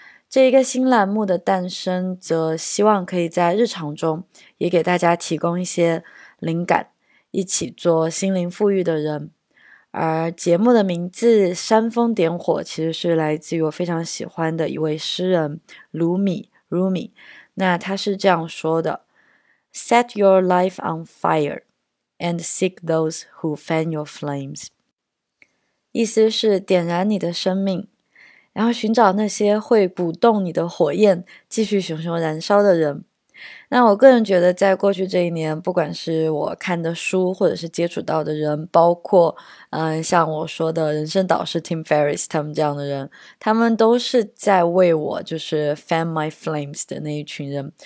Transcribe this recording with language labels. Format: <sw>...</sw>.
<zh>这一个新栏目的诞生，则希望可以在日常中也给大家提供一些灵感。一起做心灵富裕的人，而节目的名字"煽风点火"其实是来自于我非常喜欢的一位诗人卢米。卢米，那他是这样说的：“</zh> <en>Set your life on fire, and seek those who fan your flames。</en> <zh>”意思是点燃你的生命，然后寻找那些会鼓动你的火焰，继续熊熊燃烧的人。那我个人觉得，在过去这一年，不管是我看的书，或者是接触到的人，包括像我说的人生导师 Tim Ferriss 他们这样的人，他们都是在为我就是</zh> <en>fan my flames</en> <zh>的那一群人。</zh>